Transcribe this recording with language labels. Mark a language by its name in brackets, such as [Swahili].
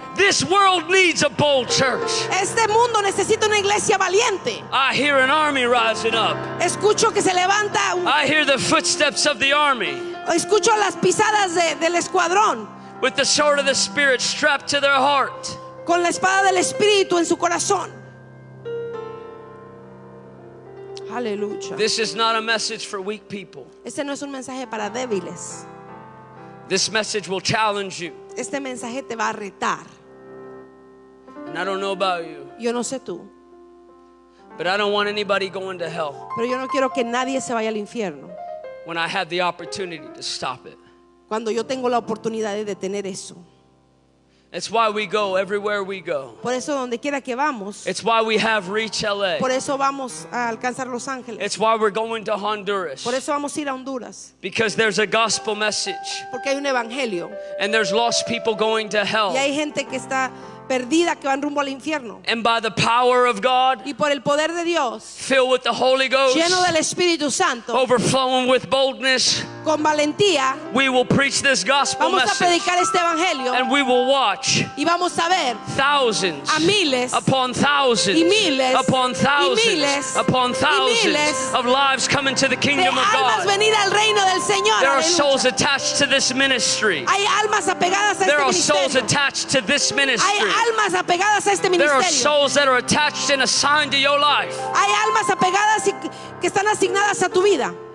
[English] This world needs a bold church. [Spanish] Este mundo necesita una iglesia valiente. [English] I hear an army rising up. [Spanish] Escucho que se levanta un... [English] I hear the footsteps of the army. [Spanish] Escucho las pisadas del escuadrón. [English] With the sword of the Spirit strapped to their heart. [Spanish] Con la espada del Espíritu en su corazón. Aleluya. [English] This is not a message for weak people. [Spanish] Este no es un mensaje para débiles. [English] This message will challenge you. [Spanish] Este mensaje te va a retar. [English] And I don't know about you. [Spanish] Yo no sé tú. [English] But I don't want anybody going to hell. [Spanish] Pero yo no quiero que nadie se vaya al infierno. [English] When I have the opportunity to stop it. [Spanish] Cuando yo tengo la oportunidad de detener eso. [English] It's why we go everywhere we go. [Spanish] Por eso donde quiera que vamos. [English] It's why we have Reach LA. [Spanish] Por eso vamos a alcanzar Los Ángeles. [English] It's why we're going to Honduras. [Spanish] Por eso vamos a ir a Honduras. [English] Because there's a gospel message. [Spanish] Porque hay un evangelio. [English] And there's lost people going to hell. [Spanish] Y hay gente que está perdida, que van rumbo al infierno. [English] And by the power of God, [Spanish] y por el poder de Dios, [English] filled with the Holy Ghost, [Spanish] lleno del Espíritu Santo, [English] overflowing with boldness, [Spanish] con valentía, [English] we will preach this gospel [Spanish] vamos [English] message, [Spanish] a predicar este evangelio, [English] and we will watch [Spanish] y vamos a ver [English] thousands, [Spanish] a miles, [English] upon thousands, [Spanish] y miles, [English] upon thousands, [Spanish] y miles, [English] upon thousands, [Spanish] y miles, [English] of lives coming to the kingdom [Spanish] de almas [English] of God. [Spanish] Venir al reino del Señor. [English] There [Spanish] Aleluya. [English] Are souls attached to this ministry. [Spanish] Hay almas apegadas a [English] there [Spanish] este [English] are [Spanish] ministerio. [English] Souls attached to this ministry. [Spanish] Hay almas apegadas a este ministerio. [English] There are souls that are attached and assigned to your life. [Spanish] Hay almas apegadas y que están asignadas a tu vida.